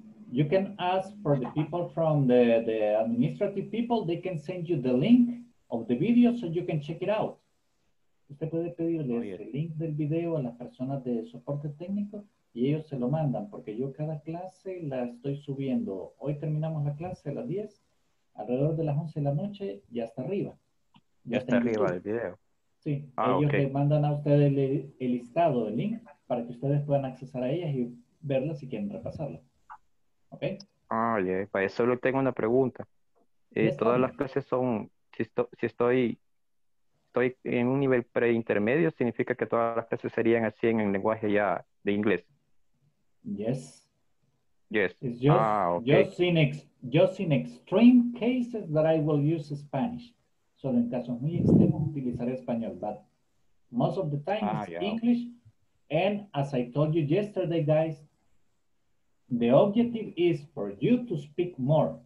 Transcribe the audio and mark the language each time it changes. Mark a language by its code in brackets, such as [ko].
[en] You can ask for the people from the administrative people, they can send you the link of the video so you can check it out. [es] Usted puede pedirle el link del video a las personas de soporte técnico y ellos se lo mandan, porque yo cada clase la estoy subiendo. Hoy terminamos la clase a las 10, alrededor de las 11 de la noche, ya está arriba. Ya está arriba el video. Sí, ellos le mandan a ustedes el listado, el link, para que ustedes puedan accesar a ellas y verlas si quieren repasarlo. ¿Ok? Para eso solo tengo una pregunta. Todas las clases son, si estoy en un nivel preintermedio, significa que todas las clases serían así en el lenguaje ya de inglés. [en] Yes. Yes. It's just in extreme cases that I will use Spanish. [es] solo en casos muy extremos utilizaré español, [en] but most of the time it's English. And as I told you yesterday, guys, the objective is for you to speak more.